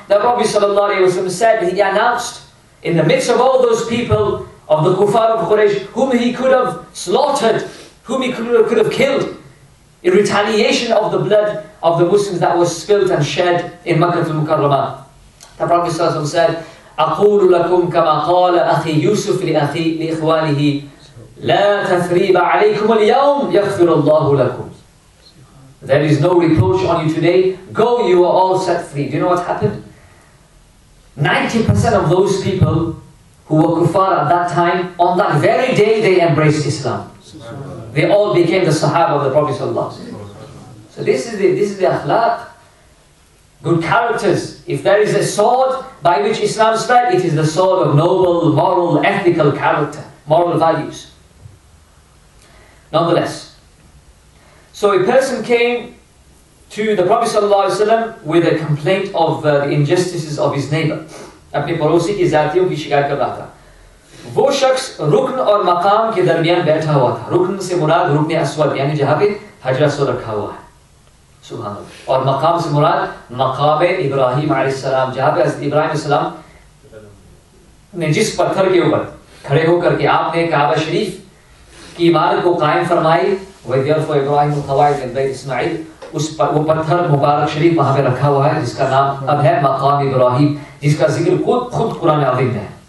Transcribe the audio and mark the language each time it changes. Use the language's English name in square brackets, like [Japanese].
[English] The Prophet ﷺ said, he announced in the midst of all those people of the Kuffar of Quraysh, whom he could have slaughtered, whom he could have killed, in retaliation of the blood of the Muslims that was spilled and shed in Makkah al-Mukarramah. The Prophet ﷺ said, [Arabic] أَقُولُ لَكُمْ كَمَا قَالَ أَخِي يُوسُفْ لِإِخْوَانِهِ لَا تَثْرِيبَ عَلَيْكُمُ الْيَوْمْ يَغْفِرُ اللَّهُ لَكُمْ. [English] There is no reproach on you today. Go, you are all set free. Do you know what happened? 90% of those people who were kuffar at that time, on that very day they embraced Islam. They all became the Sahaba of the Prophet ﷺ. So this is the akhlaq. Good characters. If there is a sword by which Islam spread, it is the sword of noble, moral, ethical character, moral values. Nonetheless, so a person came to the Prophet ﷺ with a complaint of the injustices of his neighbor. [Urdu] اپنے پڑوسی کی ذاتیوں کی شکایت کر رہا تھا. وہ شخص رکن اور مقام کے درمیان بیٹھا ہوا تھا. رکن سے مراد رکن اسود, یعنی جہاں پہ حجرہ اسود رکھا ہوا ہے, سبحان اللہ. اور مقام سے مراد مقام ابراہیم علیہ السلام, جہاں پہ حضرت ابراہیم علیہ السلام نے جس پتھر کے اوپر کھڑے ہو کر کے آپ نے کعبہ شریف کی عمارت کو قائم فرمائی, [Arabic] وَذِيَرْفُ عِبْرَاهِمُ خَوَائِدِ بَيْتِ اسْمَعِيلِ, [Urdu] اس پر وہ پتھر مبارک شریف وہاں پہ رکھا ہوا ہے جس کا نام اب ہے مقام ابراہیم, جس کا ذکر خود قرآن عظیم ہے.